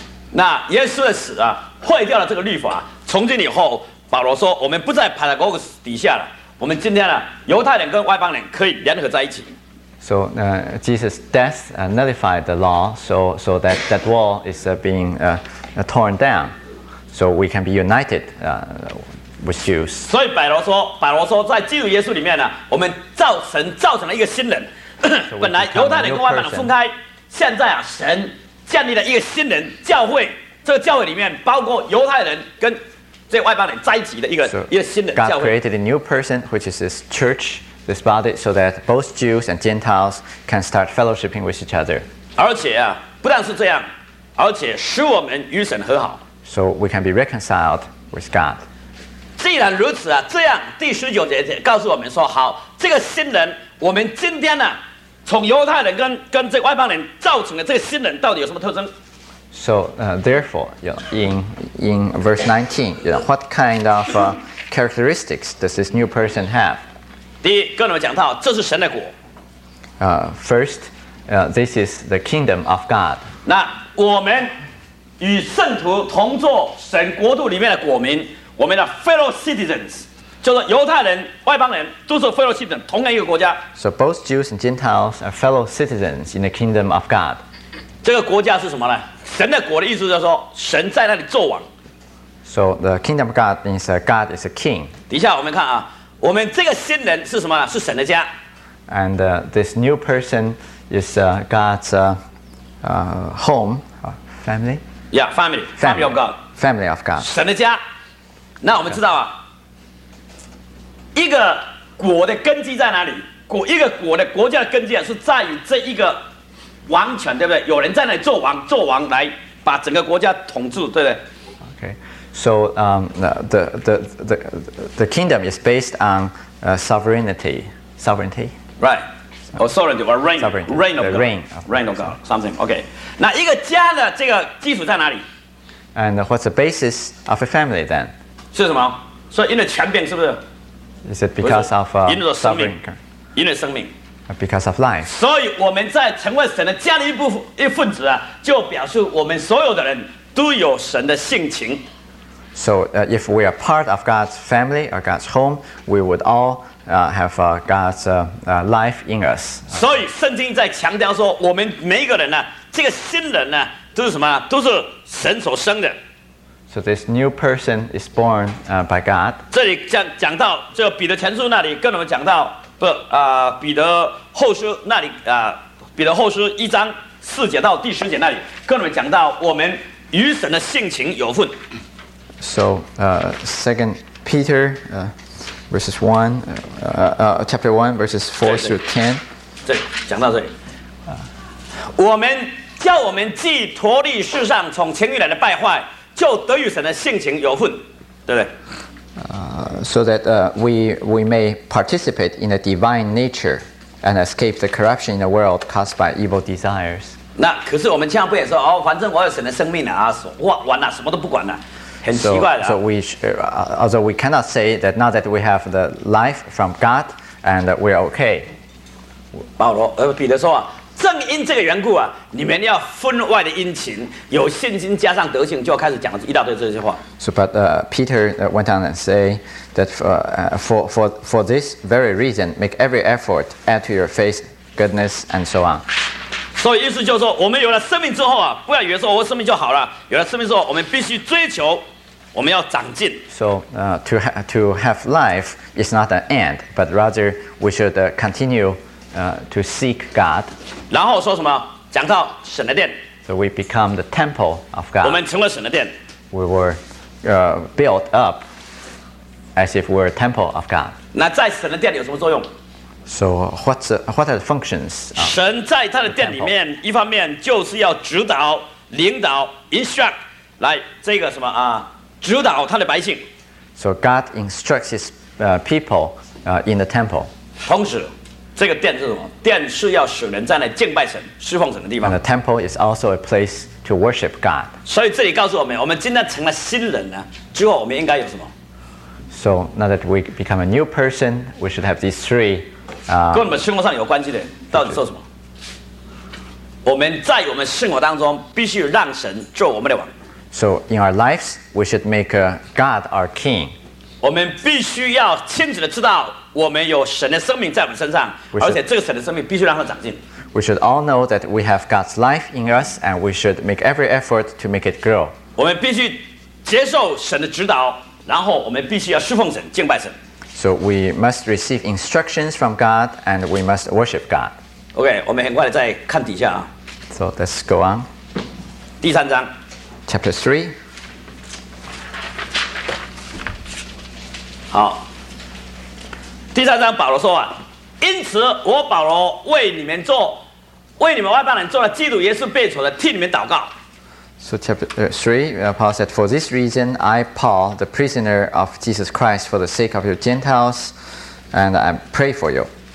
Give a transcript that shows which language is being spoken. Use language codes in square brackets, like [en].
[zh] 那耶稣的死啊，毁掉了这个律法。从今以后，保罗说，我们不在 Paragogos 底下了。我们今天呢，犹太人跟外邦人可以联合在一起。 [en] So Jesus' death nullified the law, so that wall is being torn down, so we can be united with Jews. [zh] 所以保罗说，在基督耶稣里面呢，我们造成了一个新人。本来犹太人跟外邦人分开，现在啊，神建立了一个新人教会。这个教会里面包括犹太人跟这外邦人在一起的一个新人教会。 [en] God created a new person, which is this church. This body, so that both Jews and Gentiles can start fellowshipping with each other. [zh] 而且啊，不但是这样，而且使我们与神和好。 [en] So we can be reconciled with God. [zh] 既然如此啊，这样第十九节告诉我们说，好，这个新人，我们今天呢、啊，从犹太人跟这外邦人造成的这个新人，到底有什么特征？ [en] So therefore, you know, in verse 19, you know, what kind of characteristics does this new person have? [zh] 第一，跟我们讲到，这是神的国。 [en] First, this is the kingdom of God. [zh] 那我们与圣徒同作神国度里面的国民，我们的 [en] fellow citizens， [zh] 就是犹太人、外邦人都是 fellow citizens， 同样一个国家。 [en] So both Jews and Gentiles are fellow citizens in the kingdom of God. [zh] 这个国家是什么呢？神的国的意思就是说，神在那里作王。 [en] So the kingdom of God means God is a king. [zh] 底下我们看啊。我们这个新人是什么？是神的家。 [en] And this new person is God's home, family. Yeah, family. Family of God. Family of God. [zh] 神的家。那我们知道啊， okay. 一个国的根基在哪里？一个国的国家的根基是在于这一个王权，对不对？有人在那里做王来把整个国家统治，对不对？ [en] So the kingdom is based on sovereignty. Right. Or sovereignty or reign. Sovereignty. Reign of God. Reign of God. Something. Okay. [zh] 那一个家的这个基础在哪里？ [en] And what's the basis of a family then? [zh] 是什么？所以因为权柄是不是？ [en] Is it because of [zh] sovereignty? 因为生命。 [en] Because of life. [zh] 所以我们在成为神的家的一份子啊，就表示我们所有的人都有神的性情。 [en] So if we are part of God's family or God's home, we would all have God's life in us. [zh] 所以圣经在强调说，我们每一个人呢，这个新人呢，都是什么？都是神所生的。 [en] So this new person is born by God. [zh] 这里讲到这个彼得前书那里跟我们讲到，不啊、彼得后书那里啊、彼得后书一章四节到第十节那里跟我们讲到，我们与神的性情有份。 [en] So, Second Peter, verses one, chapter one, verses 4-10. [zh] 这讲到这里，我们叫我们既脱离世上从情欲来的败坏，就得与神的性情有份，对不对？ [en] So that we may participate in the divine nature and escape the corruption in the world caused by evil desires. [zh] 那可是我们千万不也说哦，反正我有神的生命了啊，完了，什么都不管了。 [en] So we cannot say that now that we have the life from God and that we are okay. [zh] 彼得说啊，正因这个缘故啊，你们要分外的殷勤，有信心加上德性，就要开始讲一大堆这些话。 [en] So, but Peter went on and say that for this very reason, make every effort, add to your faith, goodness, and so on. [zh] 所以意思就是说，我们有了生命之后啊，不要以为说我生命就好了。有了生命之后，我们必须追求。我们要长进。 [en] So to have life is not an end, but rather we should continue to seek God. [zh] 然后说什么？讲到神的殿。 [en] So we become the temple of God. [zh] 我们成了神的殿。 [en] We were built up as if we're a temple of God. [zh] 那在神的殿有什么作用？ [en] So what are the functions? [zh] 神在他的殿里面，一方面就是要指导、领导、instruct 来这个什么啊？指导他的百姓。 [en] So God instructs his people in the temple. [zh] 同时，这个殿是什么？殿是要使人在那敬拜神、侍奉神的地方。 [en] And the temple is also a place to worship God. [zh] 所以这里告诉我们，我们今天成了新人了，之后我们应该有什么？ [en] So now that we become a new person, we should have these three. [zh] 跟我们生活上有关系的，到底做什么？我们在我们生活当中必须让神做我们的王。 [en] So in our lives, we should make God our king. [zh] 我们必须要清楚的知道，我们有神的生命在我们身上，而且这个神的生命必须让它长进。 [en] We should all know that we have God's life in us, and we should make every effort to make it grow. [zh] 我们必须接受神的指导，然后我们必须要侍奉神、敬拜神。 [en] So we must receive instructions from God, and we must worship God. [zh] OK, 我们很快再看底下啊。 [en] So let's go on. [zh] 第三章。 [en] Chapter 3. [zh] 好。第三章保罗说啊，因此我保罗为你们做，为你们外邦人做了基督耶稣被囚的，替你们祷告。 [en] So chapter 3, Paul said, For this reason, I, Paul, the prisoner of Jesus Christ, for the sake of your Gentiles, and I pray for you.